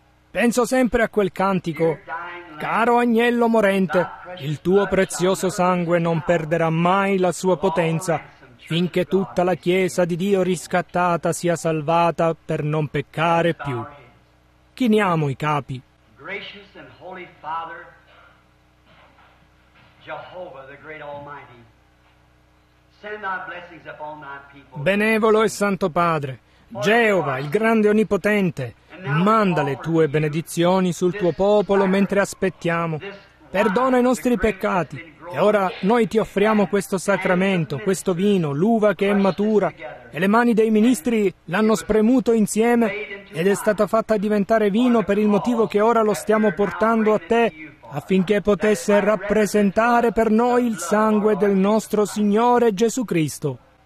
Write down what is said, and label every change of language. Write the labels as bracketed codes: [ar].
[it] Penso sempre a quel cantico, caro agnello morente, il tuo prezioso sangue non perderà mai la sua potenza finché tutta la Chiesa di Dio riscattata sia salvata per non peccare più. Chiniamo i capi. [en] gracious and holy Father, Jehovah, the great Almighty, send thy blessings upon thy people. [it] Benevolo e Santo Padre, Geova, il grande Onnipotente, manda le tue benedizioni sul tuo popolo mentre aspettiamo. Perdona i nostri peccati. E ora noi ti offriamo questo sacramento, questo vino, l'uva che è matura, e le mani dei ministri l'hanno spremuto insieme ed è stata fatta diventare vino per il motivo che ora lo stiamo portando a te, affinché potesse rappresentare per noi il sangue del nostro Signore Gesù Cristo.